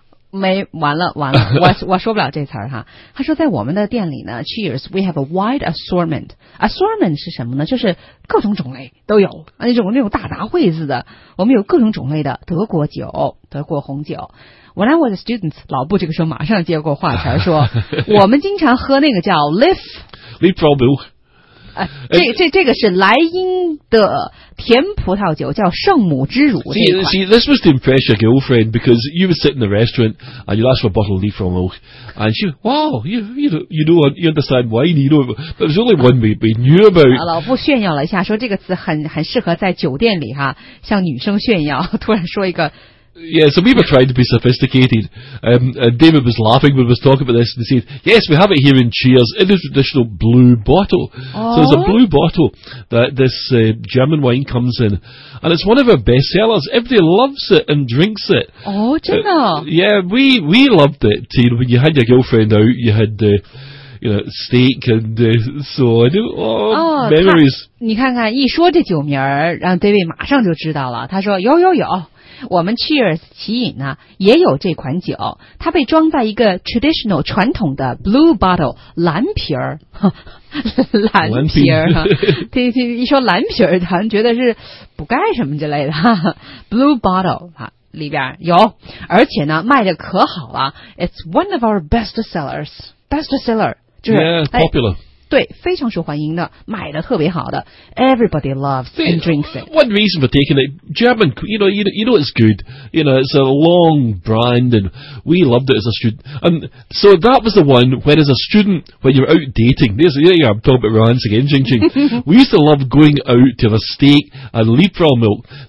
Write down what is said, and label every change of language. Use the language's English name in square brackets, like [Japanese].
[Chinese] 没完了完了我说不了这词儿哈他说在我们的店里呢 Cheers [English] We have a wide assortment [Chinese] Assortment 是什么呢就是各种种类都有那种大杂烩似的我们有各种种类的德国酒德国红酒 [English] When I was a student [Chinese] 老布这个时候马上接过话才说我们经常喝那个叫 Liebfraumilch这个是莱茵的甜葡萄酒叫圣母之乳 [English] see this was to impress your girlfriend because you would sit in the restaurant and you'd ask for a bottle of Liebfraumilch and she wow you understand wine you know but it was only one we knew about [Chinese] 老夫炫耀了一下说这个词很适合在酒店里哈向女生炫耀突然说一个 [English] yeah so we were trying to be sophisticated David was laughing when we were talking about this and he said yes we have it here in Cheers in the traditional blue bottle、 oh. so it's a blue bottle that this German wine comes in and it's one of our best sellers everybody loves it and drinks it [Chinese] oh 真的 [English] yeah we loved it too you know, when you had your girlfriend out you had theYou know, steak and so on. Oh, memories. [Chinese] 你看看，一说这酒名儿，让 David 马上就知道了。他说：“有，我们 Cheers 奇饮呢也有这款酒，它被装在一个 traditional 传统的 [English] blue bottle [Chinese] 蓝瓶儿，蓝瓶儿。听一说蓝瓶儿，好像觉得是补钙什么之类的。 [English] blue bottle 哈。” [Chinese] 里边有，而且呢卖的可好了。 [English] It's one of our best sellers. Best seller [Chinese] 就是 [English] yeah, popular.、 [Chinese] 哎、对，非常受欢迎的，买的特别好的。 [English] Everybody loves and drinks it. One reason for taking it, German, you know it's good. You know it's a long brand, and we loved it as a student. And so that was the one when as a student when you're out dating. There's, yeah, I'm talking about romance again, Jing Jing. we used to love going out to have a steak and Liebfraumilch.